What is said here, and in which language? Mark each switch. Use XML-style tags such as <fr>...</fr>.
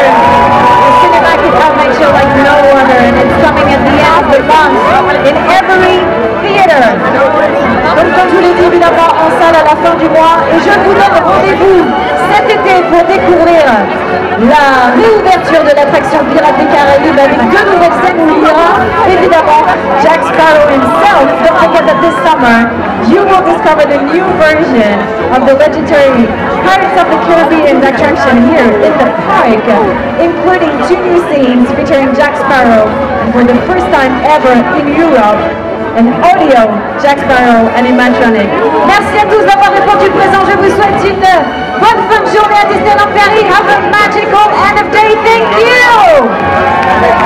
<en>The cinema can come and show like no other, and it's coming at the end of the month in every theater.</en> <fr>Donc, comme je vous l'ai dit, évidemment, en salle à la fin du mois, et je vous donne rendez-vous cet été pour découvrir la réouverture de l'attraction Pirates des Caraïbes avec deux nouvelles scènes où il y aura évidemment Jack Sparrow himself.</fr> <en>Don't forget that this summer you will discover the new version of the legendary Pirates of the Caribbean attraction here in the park, including two new scenes featuring Jack Sparrow, and for the first time ever in Europe, an audio Jack Sparrow animatronic.</en> <fr>Merci à tous d'avoir répondu présent. Je vous souhaite une bonne fin de journée à Disneyland Paris.</fr> <en>Have a magical end of day. Thank you.</en>